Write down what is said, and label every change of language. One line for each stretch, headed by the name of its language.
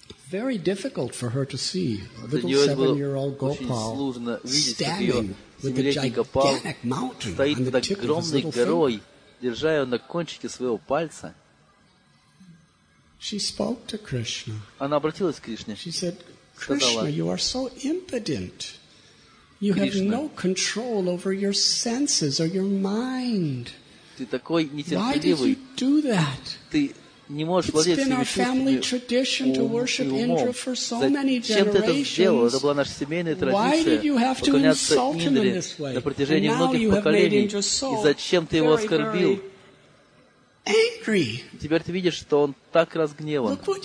English: Very difficult for her to see a little 7-year-old Gopal standing with a gigantic mountain
Russian: стоит
English: on the tip of his little
Russian: горой, держа её на кончике своего пальца.
English: She spoke to Krishna.
Russian: Она обратилась к Кришне.
English: She said, "Krishna, you are so impotent. You have no control over your senses or your mind."
Russian: Ты такой нетерпеливый. Ты не можешь владеть своими чувствами. Зачем ты это сделал? Это была наша семейная традиция поклоняться Индре на протяжении многих поколений. И зачем ты его оскорбил? Теперь ты видишь, что он так разгневан.